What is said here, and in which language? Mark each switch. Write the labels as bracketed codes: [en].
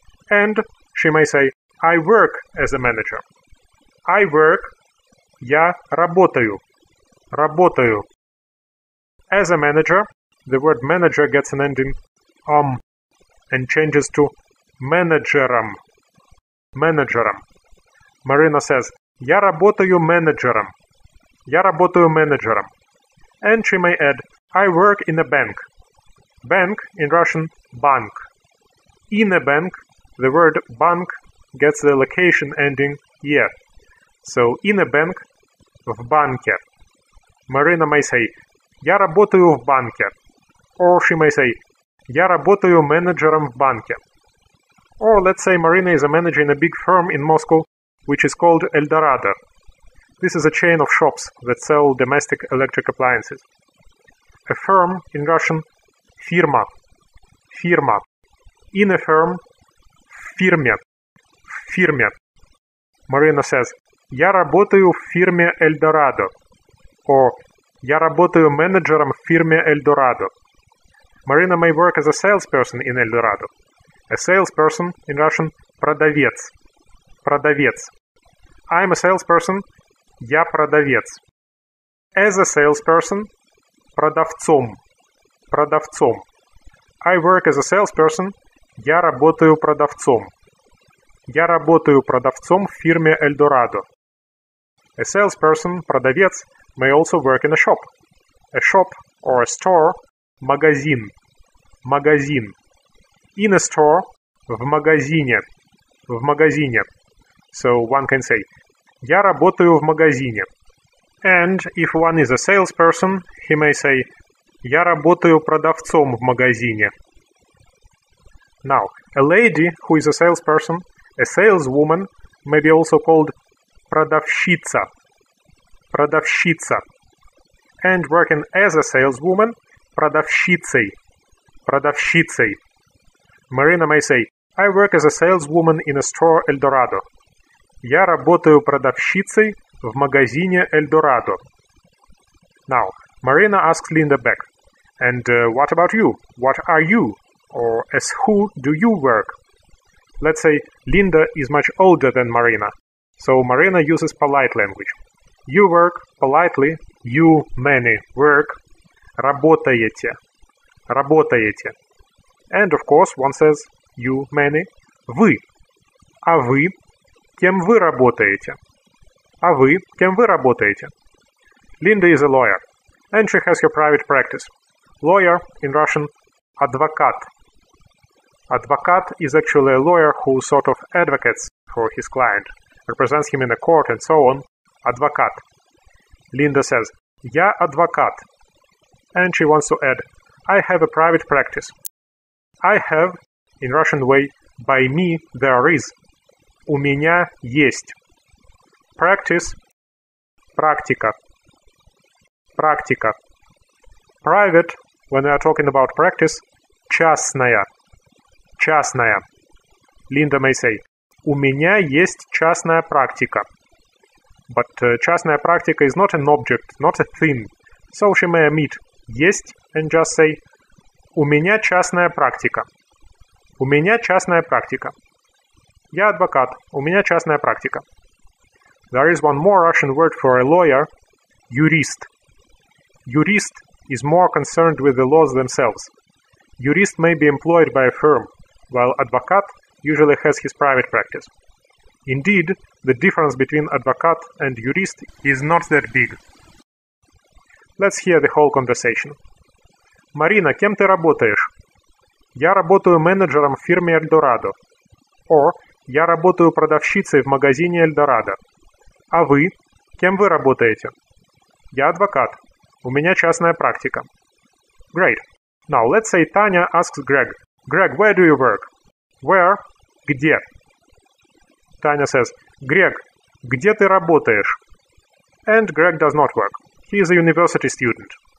[en] And she may say, I work as a manager. I work, [ru] я работаю. Работаю. [en] As a manager, the word manager gets an ending om and changes to менеджером. [ru] Менеджером. [en] Marina says, [ru] я работаю менеджером. Я работаю менеджером. [en] And she may add, I work in a bank. Bank, in Russian, bank. In a bank, the word bank gets the location ending -е. So, in a bank, [ru] в банке. [en] Marina may say, [ru] я работаю в банке. [en] Or she may say, [ru] я работаю менеджером в банке. [en] Or let's say Marina is a manager in a big firm in Moscow, which is called Eldorado. This is a chain of shops that sell domestic electric appliances. A firm, in Russian, [ru] фирма, фирма. [en] In a firm, [ru] в фирме, в фирме. [en] Marina says, [ru] я работаю в фирме Eldorado. Or, я работаю менеджером в фирме Eldorado. [en] Marina may work as a salesperson in Eldorado. A salesperson, in Russian, [ru] продавец, продавец. [en] I'm a salesperson, [ru] я продавец. [en] As a salesperson, [ru] продавцом, продавцом. [en] I work as a salesperson, [ru] я работаю продавцом. Я работаю продавцом в фирме Eldorado. [en] A salesperson, продавец, may also work in a shop. A shop or a store, [ru] магазин, магазин. [en] In a store, [ru] в магазине, в магазине. [en] So one can say, [ru] я работаю в магазине. [en] And if one is a salesperson, he may say, [ru] я работаю продавцом в магазине. [en] Now, a lady who is a salesperson, a saleswoman, may be also called продавщица. [ru] Продавщица. [en] And working as a saleswoman, продавщицей. [ru] Продавщицей. [en] Marina may say, I work as a saleswoman in a store Eldorado. [ru] Я работаю продавщицей в магазине Eldorado. [en] Now, Marina asks Linda back, and what about you? What are you? Or as who do you work? Let's say Linda is much older than Marina, so Marina uses polite language. You work politely, you many work, работаете, работаете. And of course, one says, you many, вы. [ru] А вы? Кем вы работаете? А вы? Кем вы работаете? [en] Linda is a lawyer, and she has her private practice. Lawyer, in Russian, адвокат. Адвокат is actually a lawyer who sort of advocates for his client, represents him in a court and so on. [ru] Адвокат. [en] Linda says, [ru] я адвокат. [en] And she wants to add, I have a private practice. I have, in Russian way, by me there is. [ru] У меня есть. Practice, практика, практика. [en] Private, when we are talking about practice, [ru] частная, частная. [en] Linda may say, [ru] у меня есть частная практика. [en] But [ru] частная практика [en] is not an object, not a thing. So she may omit есть and just say, [ru] у меня частная практика. У меня частная практика. Я адвокат, у меня частная практика. [en] There is one more Russian word for a lawyer, юрист. Юрист is more concerned with the laws themselves. Jurist may be employed by a firm, while advocat usually has his private practice. Indeed, the difference between advocat and jurist is not that big. Let's hear the whole conversation. [ru] Марина, кем ты работаешь? Я работаю менеджером в фирме Эльдорадо. Or, я работаю продавщицей в магазине Эльдорадо. А вы? Кем вы работаете? Я адвокат. У меня частная практика. [en] Great. Now, let's say Tanya asks Greg. Greg, where do you work? Where? Где? Tanya says, [ru] Greg, где ты работаешь? [en] And Greg does not work. He is a university student.